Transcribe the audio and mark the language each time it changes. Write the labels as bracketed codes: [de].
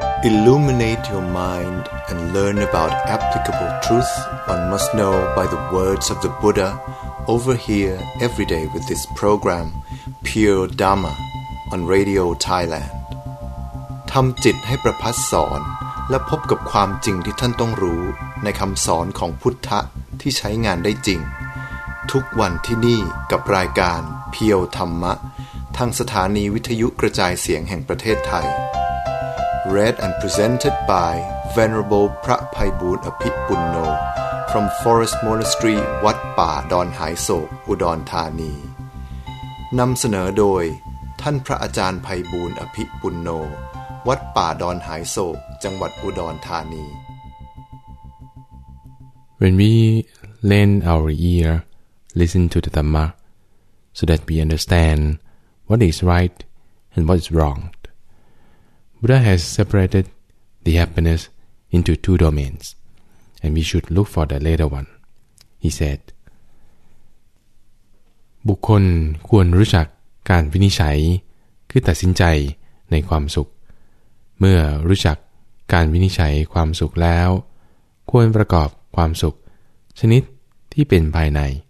[en] Illuminate your mind and learn about applicable truth one must know by the words of the Buddha over here every day with this program, Pure Dharma, on Radio Thailand. [th] ทำจิตให้ประพัสสอนและพบกับความจริงที่ท่านต้องรู้ในคำสอนของพุทธะที่ใช้งานได้จริงทุกวันที่นี่กับรายการเพียวธรรมะทางสถานีวิทยุกระจายเสียงแห่งประเทศไทย [en] Read and presented by Venerable [th] พระไพบูลย์อภิปุณโญ [en] from Forest Monastery [th] วัดป่าดอนหายโศกอุดรธานีนำเสนอโดยท่านพระอาจารย์ไพบูลย์อภิปุณโญวัดป่าดอนหายโศกจังหวัดอุดรธานี [en] When we lend our ear listen to the Dhamma so that we understand what is right and what is wrong. Buddha has separated the happiness into two domains and we should look for the later one. He said [th] บุคคลควรรู้จักการวินิจฉัยคือตัดสินใจในความสุขเมื่อรู้จักการวินิจฉัยความสุขแล้วควรประกอบความสุขชนิดที่เป็นภายใน